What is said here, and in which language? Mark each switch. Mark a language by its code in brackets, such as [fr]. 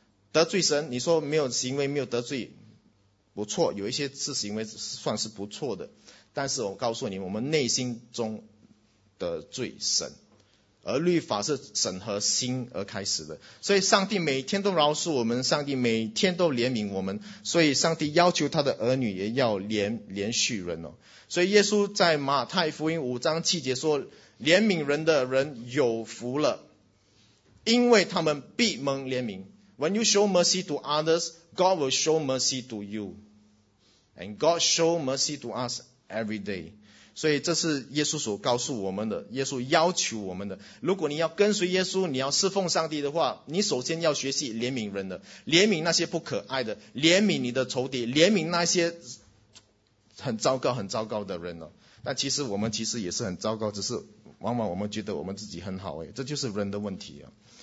[zh] 得罪神，你说没有行为没有得罪不错，有一些事行为算是不错的，但是我告诉你，我们内心中得罪神，而律法是审核心而开始的，所以上帝每天都饶恕我们，上帝每天都怜悯我们，所以上帝要求他的儿女也要连续人哦。所以耶稣在马太福音五章七节说，怜悯人的人有福了，因为他们必蒙怜悯。 [en] When you show mercy to others, God will show mercy to you, and God show mercy to us every day. [zh] 所以这是耶稣所告诉我们的，耶稣要求我们的，如果你要跟随耶稣，你要侍奉上帝的话，你首先要学习怜悯人的，怜悯那些不可爱的，怜悯你的仇敌，怜悯那些很糟糕很糟糕的人哦。但其实我们其实也是很糟糕，只是往往我们觉得我们自己很好，这就是人的问题哦。